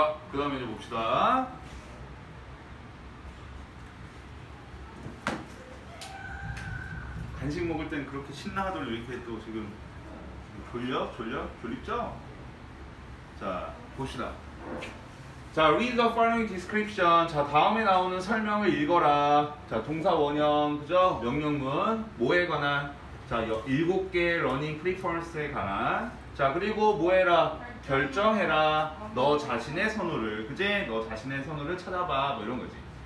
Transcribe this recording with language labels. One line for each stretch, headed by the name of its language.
Korean: 그 다음에 이제 봅시다. 간식 먹을 땐 그렇게 신나하더니 이렇게 또 지금 졸려? 졸려? 졸립죠? 자, 봅시다. 자,
English: read the following description.
Korean: 자, 다음에 나오는 설명을 읽어라. 자, 동사 원형, 그죠? 명령문, 뭐에 관한? 자, 일곱 개의 러닝 프리퍼런스에 관한. 자, 그리고 뭐해라? 결정해라. 너 자신의 선호를, 그지? 너 자신의 선호를 찾아봐. 뭐 이런 거지.